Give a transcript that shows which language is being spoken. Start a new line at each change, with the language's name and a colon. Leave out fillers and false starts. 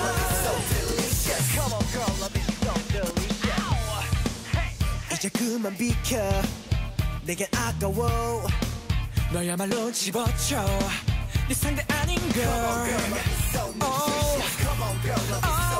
English: Come on girl, love is so delicious.
Korean: 이제 그만 비켜 내겐 아까워. 너야말로 집어쳐 네 상대 아닌 걸.
English: Come on girl, love is so nutritious.